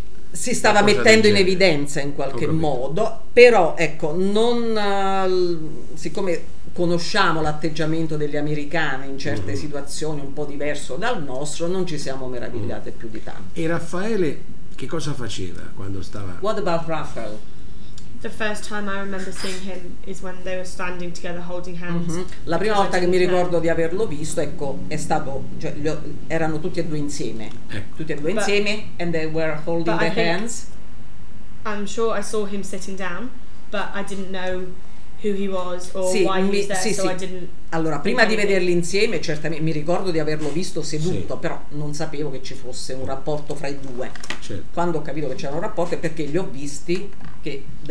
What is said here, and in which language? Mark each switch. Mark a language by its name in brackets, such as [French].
[Italian] si stava mettendo in evidenza in qualche modo. Però ecco, non siccome conosciamo l'atteggiamento degli americani in certe situazioni un po' diverso dal nostro, non ci siamo meravigliate più di tanto. E Raffaele che cosa faceva quando stava? [English] What about Raphael? The first time I remember seeing him is when they were standing together holding hands. [Italian] La prima volta che mi ricordo di averlo visto, ecco, è stato, cioè, erano tutti e due insieme. Ecco. Tutti e due insieme, [English] and they were holding their hands. I'm sure I saw him sitting down, but I didn't know who he was or why he was there. I didn't. [Italian] Allora, prima di vederli insieme, certamente mi ricordo di averlo visto seduto, però non sapevo che ci fosse un rapporto fra i due. Certo. Quando ho capito che c'era un rapporto è perché li ho visti che